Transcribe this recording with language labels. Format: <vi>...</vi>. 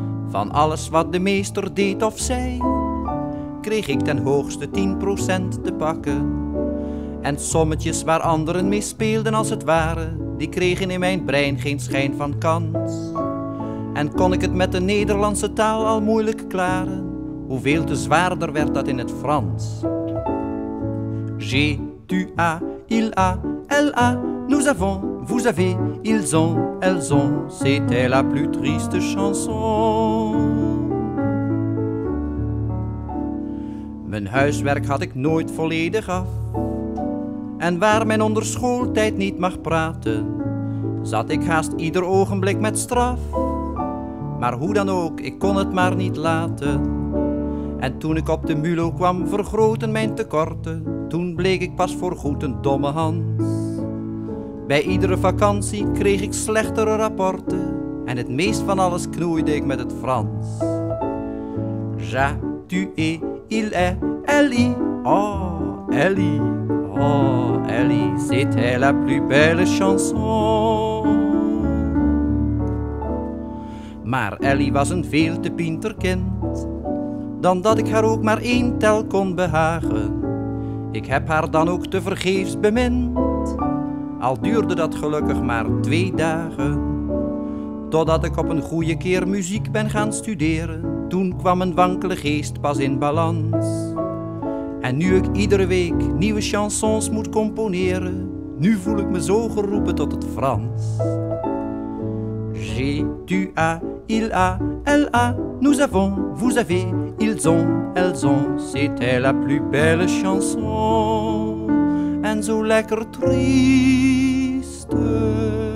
<nl>Van alles wat de meester deed of zei, kreeg ik ten hoogste 10% te pakken. En sommetjes waar anderen mee speelden als het ware, die kregen in mijn brein geen schijn van kans. En kon ik het met de Nederlandse taal al moeilijk klaren, hoeveel te zwaarder werd dat in het Frans.</nl> <fr>J'ai, tu a, il a, elle a, nous avons, vous avez, ils ont, elles ont, c'était la plus triste chanson.</fr> <nl>Mijn huiswerk had ik nooit volledig af. En waar men onder schooltijd niet mag praten, zat ik haast ieder ogenblik met straf. Maar hoe dan ook, ik kon het maar niet laten. En toen ik op de MULO kwam, vergroten mijn tekorten. Toen bleek ik pas voorgoed een domme Hans. Bij iedere vakantie kreeg ik slechtere rapporten. En het meest van alles knoeide ik met het Frans.</nl> <fr>Ja, tu es, il est, Ellie. Oh, Ellie. Oh, Ellie, c'était la plus belle chanson.</fr> <nl>Maar Ellie was een veel te pinter kind, dan dat ik haar ook maar één tel kon behagen. Ik heb haar dan ook te vergeefs bemind, al duurde dat gelukkig maar 2 dagen. Totdat ik op een goede keer muziek ben gaan studeren, toen kwam een wankele geest pas in balans. En nu ik iedere week nieuwe chansons moet componeren, nu voel ik me zo geroepen tot het Frans. J'ai, tu a, il a, elle a, nous avons, vous avez, ils ont, elles ont, c'était la plus belle chanson, en zo lekker triste.</nl>